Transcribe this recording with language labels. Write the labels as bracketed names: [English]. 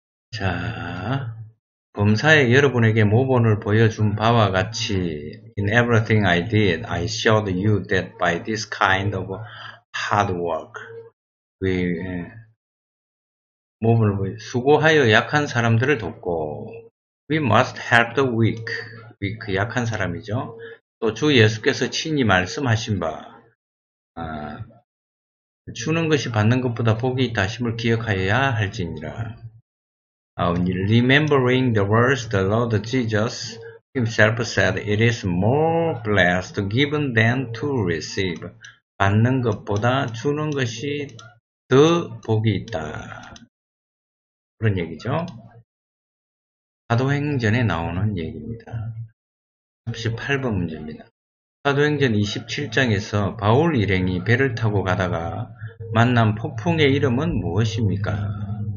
[Korean] 자, 범사에 여러분에게 모본을 보여준 바와 같이 [English] In everything I did, I showed you that by this kind of hard work we [Korean] 모본을 보여, 수고하여 약한 사람들을 돕고 [English] We must help the weak. [Korean] Weak, 약한 사람이죠. 또 주 예수께서 친히 말씀하신 바 주는 것이 받는 것보다 복이 있다 하심을 기억하여야 할지니라. [English] Remembering the words the Lord Jesus himself said, it is more blessed given than to receive. [Korean] 받는 것보다 주는 것이 더 복이 있다. 그런 얘기죠. 사도행전에 나오는 얘기입니다. 38번 문제입니다. 사도행전 27장에서 바울 일행이 배를 타고 가다가 만난 폭풍의 이름은 무엇입니까?